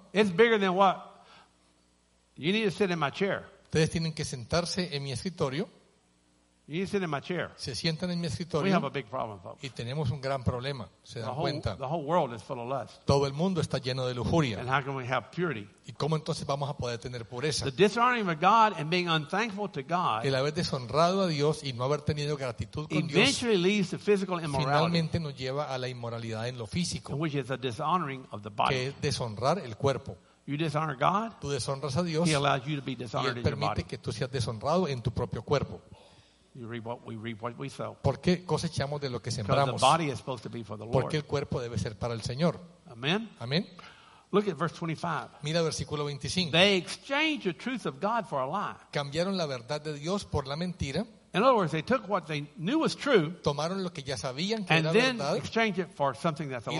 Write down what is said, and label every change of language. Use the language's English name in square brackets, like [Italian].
[English] It's bigger than what? You need to sit in my chair. [Spanish] Ustedes tienen que sentarse en mi escritorio. [English] You sit in my chair. [Spanish] Se sientan en mi escritorio. [English] We have a big problem, folks. [Spanish] Y tenemos un gran problema. Se dan cuenta. [English] The whole world is full of lust. [Spanish] Todo el mundo está lleno de lujuria. [English] And how can we have purity? [Spanish] ¿Y cómo entonces vamos a poder tener pureza? [English] The dishonoring of God and being unthankful to God. [Spanish] El haber deshonrado a Dios y no haber tenido gratitud con [English] Dios. Eventually leads to physical immorality. [Spanish] Finalmente nos lleva a la inmoralidad en lo físico. [English] Which is a dishonoring of the body. [Spanish] Que es deshonrar el cuerpo. [English] You dishonor God. [Spanish] Tú deshonras a Dios. [English] He allows you to be dishonored in your body. [Spanish] Y permite que tú seas deshonrado en tu propio cuerpo. [English] You reap what we reap what we sow. [Spanish] ¿Por qué cosechamos de lo que sembramos? [English] Because the body is supposed to be for the Lord. [Spanish] Porque el cuerpo debe ser para el Señor. [English] Amen. [Spanish] Amen. [English] Look at verse 25. [Spanish] Mira versículo 25. [English] They exchanged the truth of God for a lie. [Spanish] Cambiaron la verdad de Dios por la mentira. [English] In other words, they took what they knew was true. [Spanish] Tomaron lo que ya sabían que era verdad. [English] And then exchanged it for something that's a lie.